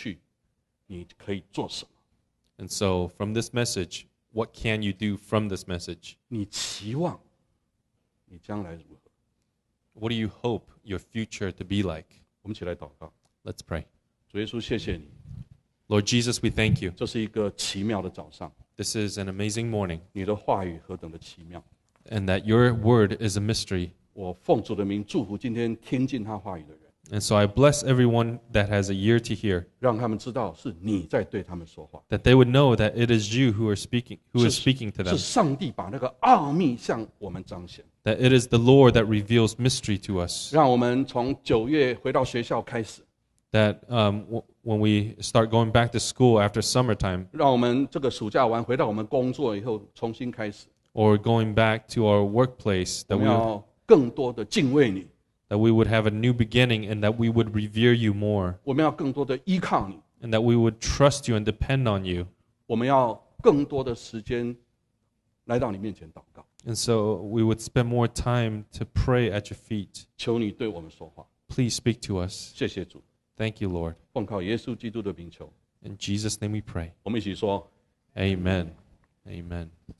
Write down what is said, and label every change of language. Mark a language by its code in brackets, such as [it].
[zh] 你觉得你回去你可以做什么? [en] And so, from this message, what can you do from this message? [zh] 你期望你将来如何? [en] What do you hope your future to be like? [zh] 我们起来祷告。 [en] Let's pray. [zh] 主耶稣，谢谢你。 [en] Lord Jesus, we thank you. [zh] 这是一个奇妙的早上。 [en] This is an amazing morning. [zh] 你的话语何等的奇妙。 [en] And that your word is a mystery. [zh] 我奉主的名祝福今天听进他话语的人。 [en] And so I bless everyone that has a ear to hear. [zh] 让他们知道是你在对他们说话, [en] that they would know that it is you who are speaking, who [zh] 是, [en] is speaking to them. [zh] 是上帝把那个奥秘向我们彰显, [en] that it is the Lord that reveals mystery to us. [zh] 让我们从九月回到学校开始, [en] that when we start going back to school after summertime, [zh] 让我们这个暑假完回到我们工作以后重新开始, [en] or going back to our workplace, that we [zh] 要更多的敬畏你, [en] that we would have a new beginning and that we would revere you more. [zh] 我们要更多的依靠你, [en] and that we would trust you and depend on you. [zh] 我们要更多的时间来到你面前祷告, [en] and so we would spend more time to pray at your feet. [zh] 求你对我们说话, [en] please speak to us. [zh] 谢谢主, [en] thank you, Lord. [zh] 奉靠耶稣基督的名求, [en] in Jesus' name we pray. [zh] 我们一起说, [en] Amen. Amen.